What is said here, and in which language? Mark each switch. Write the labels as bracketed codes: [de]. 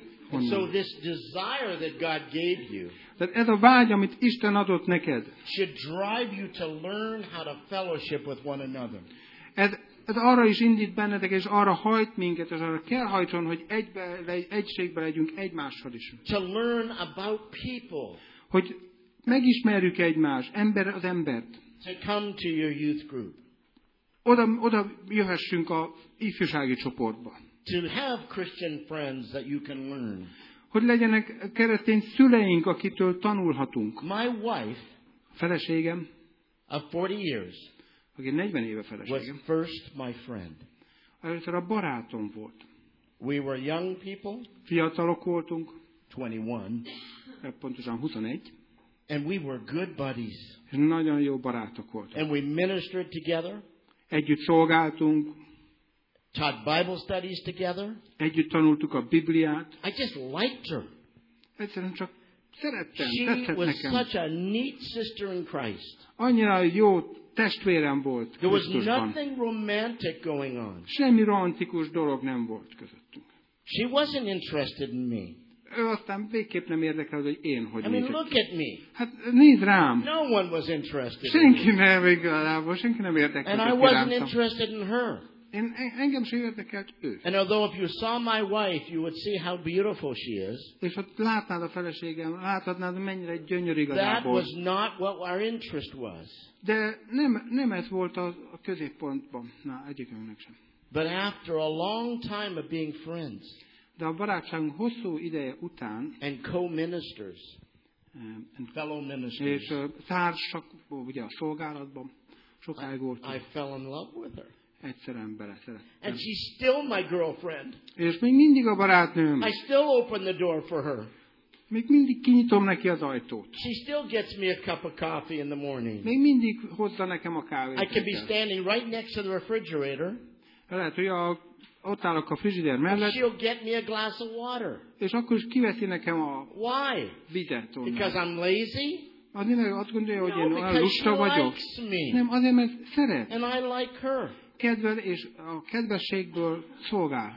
[en] And so this desire that God gave you, [hu] tehát ez a vágy, amit Isten adott neked, [en] should drive you to learn how to fellowship with one another. [hu] Ez arra is indít bennetek, és arra hajt minket, és arra kell hajtson, hogy egységben legyünk egymással is. [en] To learn about people. [hu] Hogy megismerjük egymást, ember az embert. [en] To come to your youth group. [hu] Oda jöhessünk a ifjúsági csoportba. [en] To have Christian friends that you can learn. [hu] Hogy legyenek keresztény szüleink, akitől tanulhatunk. [en] My wife, [hu] feleségem, [en] of 40 years, [hu] aki 40 éve feleségem, [en] was first my friend. [hu] Először a barátom volt. [en] We were young people, [hu] fiatalok voltunk, [en] 21, [hu] pontosan 21, [en] and we were good buddies. [hu] Nagyon jó barátok voltunk. [en] And we ministered together, [hu] együtt szolgáltunk, [en] taught Bible studies together. [hu] Együtt tanultuk a Bibliát. [en] I just liked her. [hu] Egyszerűen csak szerettem. [en] She was [hu] nekem. [en] Such a neat sister in Christ. [hu] Annyira jó testvérem volt. [en] There was nothing romantic going on. [hu] Semmi romantikus dolog nem volt közöttünk. [en] She wasn't interested in me. [hu] Ő aztán végképp nem érdekel, hogy én hogy nézek. [en] I mean, look at me. [hu] Hát nézd rám. [en] No one was interested. [hu] Senki nem igazából, senki nem érdekel. [en] And I wasn't interested in her. [hu] Engem sem érdekelt ő. [en] And although if you saw my wife, you would see how beautiful she is. [hu] És ha látnád a feleségem, láthatnád, mennyire gyönyörű igazából. [en] That was not what our interest was. [hu] De nem ez volt a középpontban. Na, egyikünknek sem. [en] But after a long time of being friends. [hu] De a barátság hosszú ideje után [en] and co-ministers, and fellow ministers, [hu] és társak, ugye a szolgálatban sokáig voltunk. [en] I fell in love with her. [hu] Egyszerűen beleszerettem. [en] And she's still my girlfriend. [hu] És még mindig a barátnőm. [en] I still open the door for her. [hu] Még mindig kinyitom neki az ajtót. [en] She still gets me a cup of coffee in the morning. [hu] Még mindig hozza nekem a kávét. [en] I can be standing right next to the refrigerator. [hu] Lehet, hogy ott állok a frizsider mellett. [en] She'll get me a glass of water. [hu] És akkor is kiveszi nekem a [en] Why? [hu] Vizet onnan. [en] Because I'm lazy? [hu] Azt gondolja, hogy én olyan lusta vagyok. [en] Me. [hu] Nem, azért, mert szeret. [en] And I like her. [hu] Kedvel és a kedvességből szolgál.